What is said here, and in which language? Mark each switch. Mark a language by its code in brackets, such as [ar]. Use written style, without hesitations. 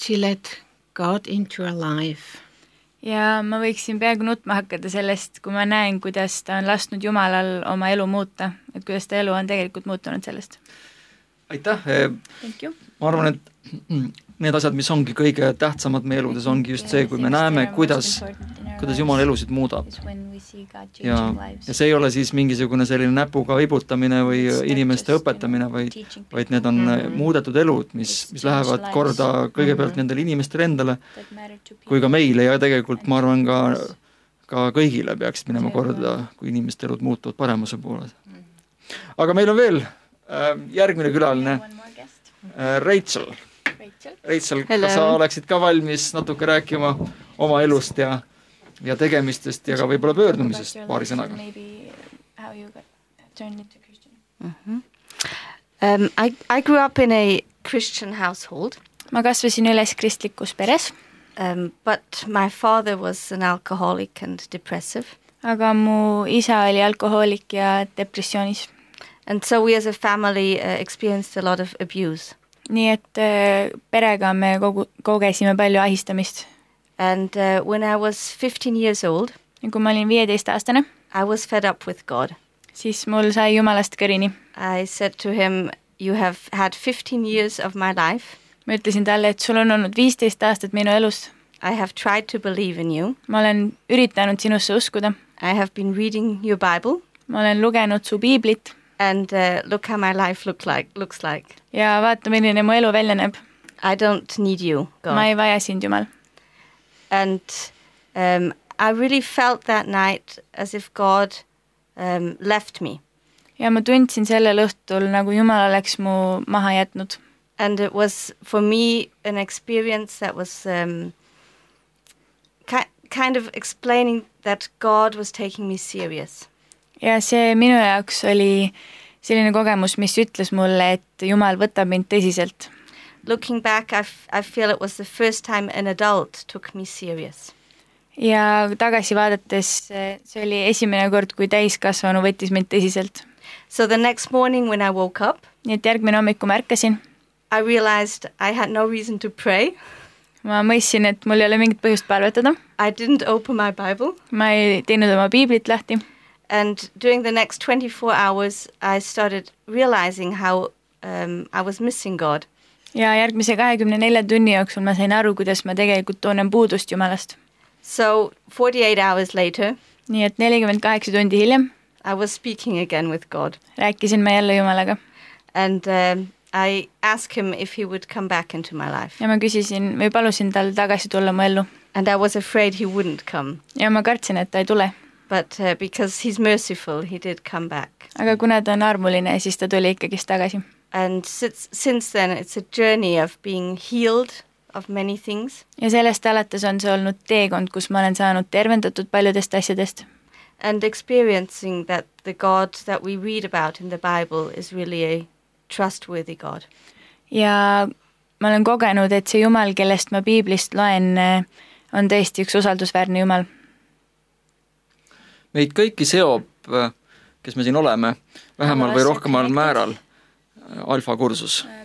[en] She let God into her life. [et] Ja ma võiksin peaaegu nutma hakata sellest, kui ma näen, kuidas ta on lasknud Jumalal oma elu muuta, et kuidas ta elu on tegelikult muutunud sellest. Aitäh. [en] Thank you. [et] Ma arvan, et need asjad, mis ongi kõige tähtsamad meeludes, ongi just see, kui me näeme, kuidas Jumal elusid muudab. Ja see ei ole siis mingisugune selline näpuga vibutamine või inimeste õpetamine, vaid need on muudetud elud, mis lähevad korda kõigepealt nendele inimestele endale, kui ka meile ja tegelikult ma arvan ka kõigile peaksid minema korda, kui inimeste elud muutuvad paremuse poole. Aga meil on veel järgmine külaline. Rachel. Rachel, kas sa oleksid ka valmis natuke rääkima oma elust ja, ja tegemistest ja ka võibolla pöördumisest paari sõnaga? [en] I grew up in a Christian household. [et] Ma kasvasin üles kristlikus peres. [en] But my father was an alcoholic and depressive. [et] Aga mu isa oli alkoholik ja depressioonis. [en] And so we as a family experienced a lot of abuse. [et] Nii et perega me kogesime palju ahistamist. [en] And when I was 15 years old, [et] ja kui ma olin 15-aastane, [en] I was fed up with God. [et] Siis mul sai Jumalast kõrini. [en] I said to him, you have had 15 years of my life. [et] Ma ütlesin talle, et sul on olnud 15 aastat minu elus. [en] I have tried to believe in you. [et] Ma olen üritanud sinusse uskuda. [en] I have been reading your Bible. [et] Ma olen lugenud su Biiblit. [en] And look how my life looks like. [et] Ja vaata, milline mu elu välja näeb. [en] I don't need you, God. [et] Ma ei vaja sind, Jumal. [en] And I really felt that night as if God left me. [et] Ja ma tundsin sellel õhtul, nagu Jumal oleks mu maha jätnud. [en] And it was for me an experience that was kind of explaining that God was taking me serious. [et] Ja see minu jaoks oli selline kogemus, mis ütles mulle, et Jumal võtab mind tõsiselt. [en] Looking back, I feel it was the first time an adult took me serious. [et] Ja tagasi vaadates, see oli esimene kord, kui täiskasvanu võttis mind tõsiselt. [en] So the next morning when I woke up, [et] et järgmine hommiku märkasin, [en] I realized I had no reason to pray. [et] Ma mõtlesin, et mul ei ole mingit põhjust palvetada. [en] I didn't open my Bible. [et] Ma ei teinud oma Biiblit lahti. [en] And during the next 24 hours, I started realizing how I was missing God. [et] Ja järgmise 24 tunni jooksul ma sain aru, kuidas ma tegelikult tunnen puudust Jumalast. [en] So 48 hours later, [et] nii et 48 tundi hiljem, [en] I was speaking again with God. [et] Rääkisin ma jälle Jumalaga. [en] And I asked him if he would come back into my life. [et] Ja ma küsisin, või palusin tal tagasi tulla mu ellu. [en] And I was afraid he wouldn't come. [et] Ja ma kartsin, et ta ei tule. [en] But because he's merciful, he did come back. [et] Aga kuna ta on armuline, siis ta tuli ikkagist tagasi. [en] And since then, it's a journey of being healed of many things. [et] Ja sellest alates on see olnud teekond, kus ma olen saanud tervendatud paljudest asjadest. [en] And experiencing that the God that we read about in the Bible is really a trustworthy God. [et] Ja ma olen kogenud, et see Jumal, kellest ma Biiblist loen, on tõesti üks usaldusväärne Jumal. Meid kõiki seob, kes me siin oleme, vähemal või rohkemal määral, Alfa kursus.